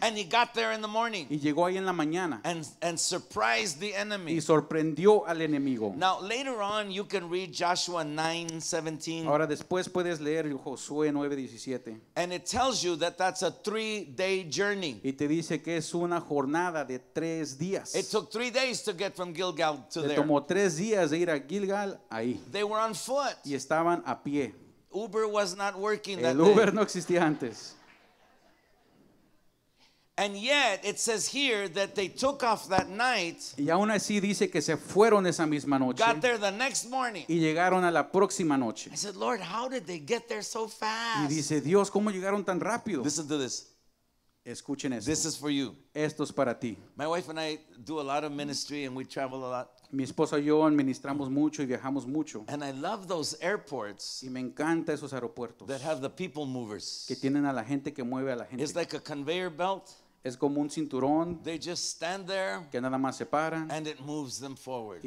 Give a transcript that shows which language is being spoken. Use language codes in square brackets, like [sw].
[en] And he got there in the morning. [es] Y llegó ahí en la mañana. [en] And surprised the enemy. [es] Y sorprendió al enemigo. [en] Now later on you can read Joshua 9:17. [es] Ahora después puedes leer Josué 9:17. [en] And it tells you that that's a 3-day journey. [es] Y te dice que es una jornada de 3 días. [en] It took 3 days to get from Gilgal to there. [es] Le tomó 3 días de ir a Gilgal ahí. [en] They were on foot. [es] Y estaban a pie. [en] Uber was not working [es] el Uber [en] day. [es] No existía antes. [en] And yet it says here that they took off that night. [es] Y aún así dice que se fueron esa misma noche. [en] Got there the next morning. [es] Y llegaron a la próxima noche. [en] I said, Lord, how did they get there so fast? [es] Y dice, Dios, ¿cómo llegaron tan rápido? [en] Listen to this. [es] Escuchen esto. [en] This is for you. [es] Esto es para ti. [en] My wife and I do a lot of ministry and we travel a lot. [es] Mi esposa y yo administramos mucho y viajamos mucho. [en] And I love those airports. [es] Y me encanta esos aeropuertos. [en] That have the people movers. [es] Que tienen a la gente que mueve a la gente. [en] It's like a conveyor belt. [es] Es como un cinturón. [en] They just stand there. [es] Que nada más se paran. [en] And it moves them forward.